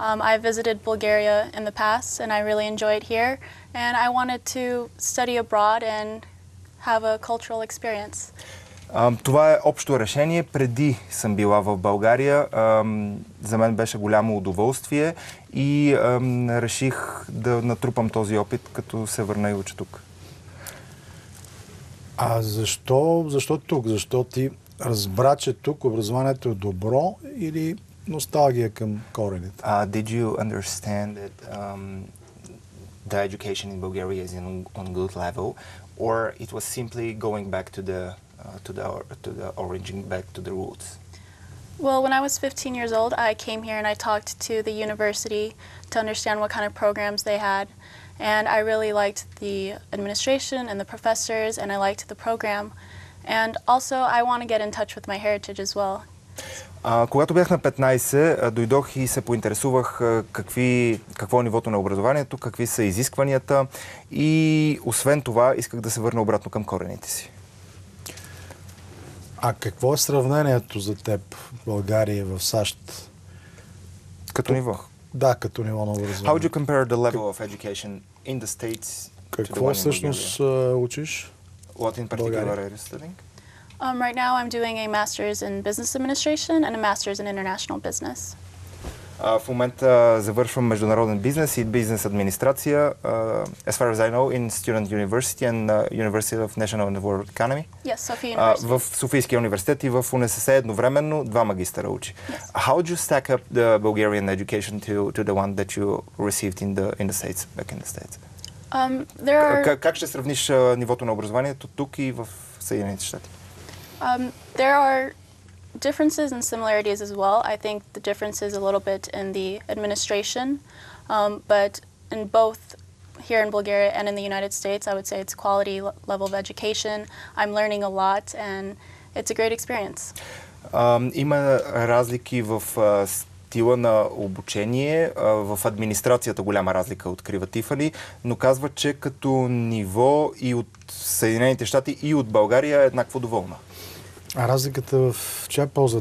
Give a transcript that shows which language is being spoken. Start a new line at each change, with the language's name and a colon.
English: I visited Bulgaria in the past and I really enjoy it here, and I wanted to study abroad and have a cultural experience.
Bulgarian: Това е общо решение. Преди съм била в България, за мен беше голямо удоволствие и реших да натрупам този опит, като се върна и уча тук. А защо тук? Защо ти разбра, че тук образованието е добро или носталгия към корените?
English: Did you understand that the education in Bulgaria is on good level, or it was simply going back to the to the origin, back to the roots? Well, when I was 15 years old, I came here and I talked to the university to understand what kind of programs they had, and I really liked the administration and the professors, and I liked the program, and also I want to get in touch with my heritage as well.
Bulgarian: Когато бях на 15, дойдох и се поинтересувах какво е нивото на образованието, какви са изискванията, и освен това исках да се върна обратно към корените си. А какво е сравнението за теб България в САЩ? Като ниво? Да, като ниво на образование.
English: How would you compare the level of education in the States?
Bulgarian: Какво всъщност учиш?
English: What in particular are you studying? Right now I'm doing a master's in business administration and a master's in international business.
Bulgarian: В момента завършвам международен бизнес и бизнес администрация,
English: as far as I know, in Student University and University of National and World Economy. Yes, Sofia University.
Bulgarian: В Софийския университет и в УНСС едновременно два магистъра учи.
English: Yes. How do you stack up the Bulgarian education to the one that you received in the States, back in the States?
Bulgarian: Как ще сравниш нивото на образованието тук и в Съединените щати?
English: There are differences and similarities as well. I think the difference is a little bit in the administration, but in both here in Bulgaria and in the United States, I would say it's quality level of education. I'm learning a lot and it's a great experience.
Bulgarian: Има разлики в стила на обучение, в администрацията голяма разлика открива Тифани, но казва, че като ниво и от Съединените щати, и от България е еднакво доволна. А разликата в чия полза?